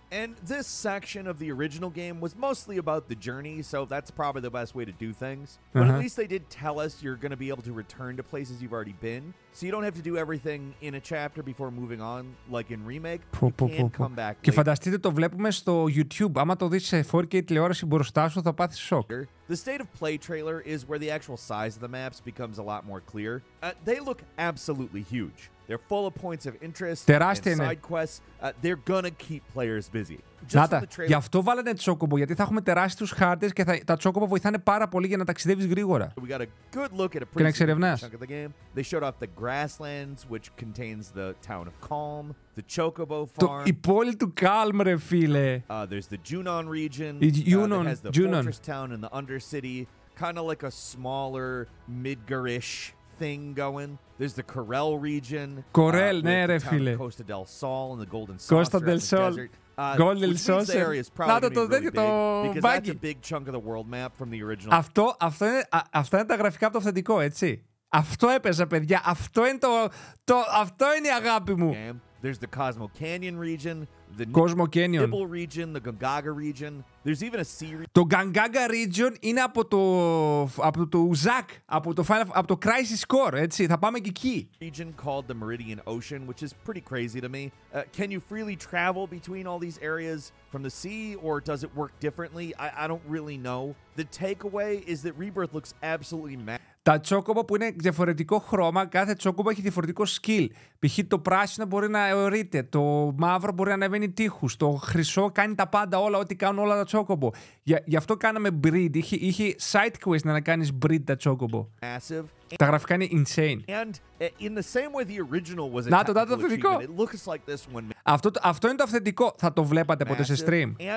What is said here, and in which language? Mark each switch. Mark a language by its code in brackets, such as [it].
[en] And this section of the original game was mostly about the journey, so that's probably the best way to do things. But at least they did tell us you're going to be able to return to places you've already been, so you don't have to do everything in a chapter before moving on, like in Remake. You can come back. [el] Και φανταστείτε, το βλέπουμε στο YouTube. Άμα το δεις σε 4K τηλεόραση μπροστά σου, θα πάθεις σοκ. [en] The state of play trailer is where the actual size of the maps becomes a lot more clear. They look absolutely huge. They're full of points of interest and side quests. They're gonna keep players busy. [el] Νάτα, γι' αυτό βάλανε τσόκομπο, γιατί θα έχουμε τεράστιους χάρτες και τα τσόκομπο βοηθάνε πάρα πολύ για να ταξιδεύεις γρήγορα. [en] We got a good look at a pretty chunk of the game. They showed off the grasslands, which contains the town of Calm, the chocobo farm. [el] Η πόλη του Calm, ρε φίλε. [en] There's the Junon region. Junon. That has the fortress town and the undercity, kind of like a smaller Midgar-ish thing going. There's the Corel region. [el] Corel, ναι, ρε φίλε. [en] Costa del Sol and the Golden Saucer desert. Golden Saucer. [el] Νάτα το δέντρο, το μπάγκι. [en] Big chunk of the world map from the original. [el] Αυτά είναι τα γραφικά από το αυθεντικό, έτσι. Αυτό έπαιζα, παιδιά. Αυτό είναι η αγάπη μου. [en] There's the Cosmo Canyon region, the Cosmo Canyon. Nibble region, the Gangaga region. There's even a series. [el] Το Gangaga region είναι από το Ουζάκ, από το Crisis Core, έτσι. Θα πάμε και εκεί. [en] Region called the Meridian Ocean, which is pretty crazy to me. Can you freely travel between all these areas from the sea, or does it work differently? I don't really know. The takeaway is that Rebirth looks absolutely massive. [el] Τα τσόκομπα που είναι διαφορετικό χρώμα, κάθε τσόκομπα έχει διαφορετικό skill. Π.χ. το πράσινο μπορεί να αιωρείται, το μαύρο μπορεί να ανεβαίνει τείχους, το χρυσό κάνει τα πάντα όλα, ό,τι κάνουν όλα τα τσόκομπο. Γι' αυτό κάναμε breed, είχε side quest να κάνεις breed τα τσόκομπο. [en] Massive. [el] Τα γραφικά είναι insane. [en] And in the same way the original was a tactical achievement, it looks like this one. [el] Αυτό είναι το αυθεντικό, θα το βλέπατε ποτέ σε stream.